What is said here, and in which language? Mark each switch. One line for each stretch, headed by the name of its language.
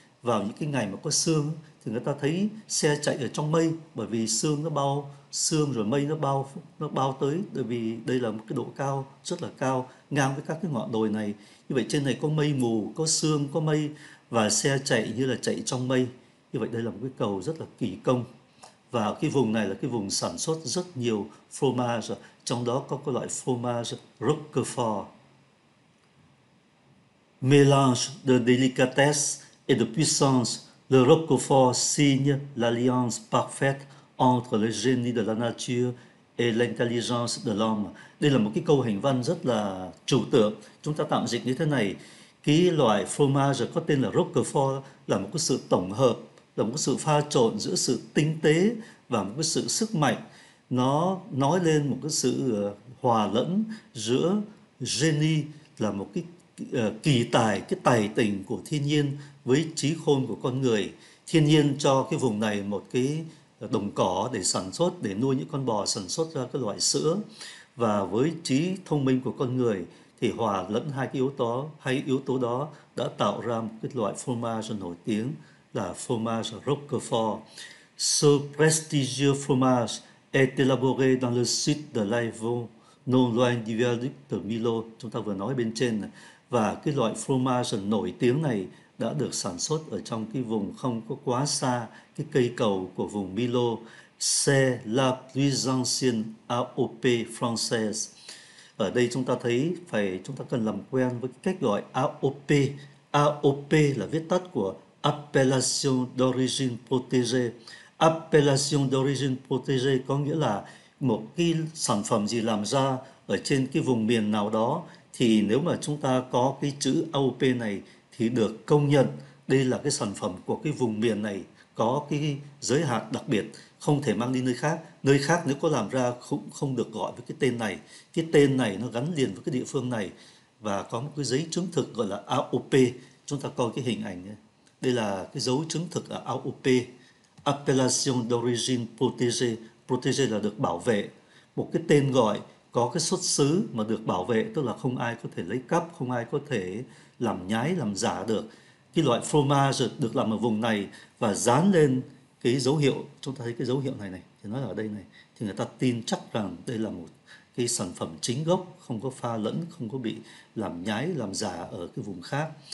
Vietnamese: Vào những cái ngày mà có sương thì người ta thấy xe chạy ở trong mây, bởi vì sương rồi mây nó bao tới, bởi vì đây là một cái độ cao rất là cao ngang với các cái ngọn đồi này. Như vậy trên này có mây mù, có sương, có mây, và xe chạy như là chạy trong mây. Như vậy đây là một cái cầu rất là kỳ công. Và cái vùng này là cái vùng sản xuất rất nhiều fromage, trong đó có cái loại fromage Roquefort.
French: Mélange de délicatesse et de puissance, le roquefort signe l'alliance parfaite entre le génie de la nature et l'intelligence de l'homme.
Vietnamese: Đây là một cái câu hình văn rất là trừu tượng. Chúng ta tạm dịch như thế này. Cái loại fromage có tên là roquefort là một cái sự tổng hợp, là một cái sự pha trộn giữa sự tinh tế và một cái sự sức mạnh. Nó nói lên một cái sự hòa lẫn giữa génie là một cái kỳ tài, cái tài tình của thiên nhiên với trí khôn của con người. Thiên nhiên cho cái vùng này một cái đồng cỏ để sản xuất, để nuôi những con bò sản xuất ra cái loại sữa. Và với trí thông minh của con người thì hòa lẫn hai cái yếu tố, hai yếu tố đó đã tạo ra một cái loại fromage nổi tiếng là fromage Roquefort.
French: Ce prestigieux fromage est élaboré dans le sud de l'Aveyron, non loin du viaduc de Millau,
Vietnamese: chúng ta vừa nói bên trên. Và cái loại fromage nổi tiếng này đã được sản xuất ở trong cái vùng không có quá xa cái cây cầu của vùng Milo.
French: C'est la plus ancienne AOP française.
Vietnamese: Ở đây chúng ta thấy phải chúng ta cần làm quen với cách gọi AOP. AOP là viết tắt của Appellation d'origine protégée. Appellation d'origine protégée có nghĩa là một cái sản phẩm gì làm ra ở trên cái vùng miền nào đó thì nếu mà chúng ta có cái chữ AOP này thì được công nhận đây là cái sản phẩm của cái vùng miền này, có cái giới hạn đặc biệt, không thể mang đi nơi khác. Nơi khác nếu có làm ra cũng không được gọi với cái tên này. Cái tên này nó gắn liền với cái địa phương này và có một cái giấy chứng thực gọi là AOP. Chúng ta coi cái hình ảnh. Đây là cái dấu chứng thực ở AOP.
French: Appellation d'origine protégée.
Vietnamese: Protégée là được bảo vệ. Một cái tên gọi có cái xuất xứ mà được bảo vệ, tức là không ai có thể lấy cắp, không ai có thể làm nhái, làm giả được. Cái loại fromage được làm ở vùng này và dán lên cái dấu hiệu, chúng ta thấy cái dấu hiệu này này, thì nó ở đây này, thì người ta tin chắc rằng đây là một cái sản phẩm chính gốc, không có pha lẫn, không có bị làm nhái, làm giả ở cái vùng khác.